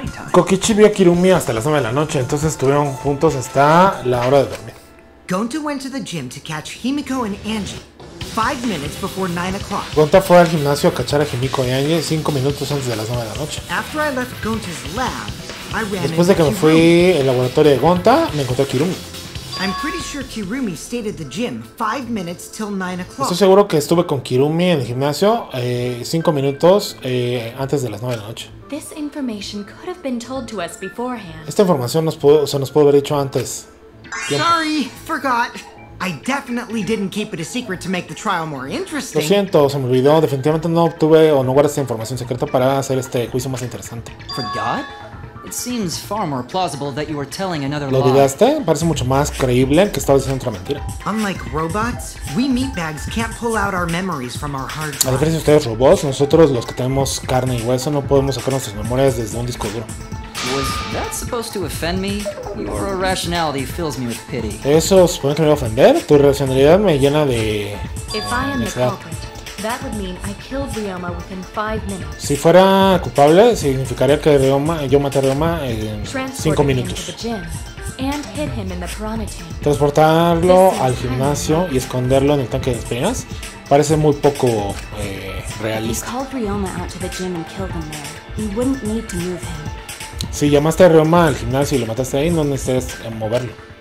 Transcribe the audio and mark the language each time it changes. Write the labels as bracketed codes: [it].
[es] Kokichi vio a Kirumi hasta las 9 de la noche, entonces estuvieron juntos hasta la hora de dormir. [en] Gonta went to the gym to catch Himiko and Angie 5 minutes before 9 o'clock. [es] Gonta fue al gimnasio a cachar a Himiko y Angie 5 minutos antes de las 9 de la noche. [en] After I left Gonta's lab, I ran [es] después de que me fui al laboratorio de Gonta, me encontré a Kirumi. [en] I'm pretty sure Kirumi stayed at the gym 5 minutes till 9 o'clock. [es] Estoy seguro que estuve con Kirumi en el gimnasio 5 minutos antes de las 9 de la noche. [en] This information could have been told to us beforehand. [es] Esta información nos pudo haber dicho antes. [en] ¿Tiempo? Sorry, forgot. I definitely didn't keep it a secret to make the trial more interesting. [es] Lo siento, se me olvidó. Definitivamente no obtuve o no guardé esta información secreta para hacer este juicio más interesante. [en] Forgot? It seems far more plausible that you were telling another lie. [es] ¿Lo olvidaste? Parece mucho más creíble que estabas diciendo otra mentira. [en] Unlike robots, we meatbags can't pull out our memories from our hard drive. [es] A diferencia de ustedes robots, nosotros los que tenemos carne y hueso no podemos sacar nuestras memorias desde un disco duro. [en] Was that supposed to offend me? Your irrationality fills me with pity. [es] ¿Eso supone que me va a ofender? Tu irracionalidad me llena de... [en] If I am the culprit, that would mean I killed Ryoma within 5 minutes. [es] Si fuera culpable, significaría que yo maté a Ryoma en 5 minutos. [en] And hit him in the piranha tank. [es] Transportarlo al gimnasio y esconderlo en el tanque de espinas parece muy poco realista. [en] If you called Ryoma out to the gym and killed him there, you wouldn't need to move him. [es] Si llamaste a Ryoma al gimnasio y lo mataste ahí, no necesitas moverlo.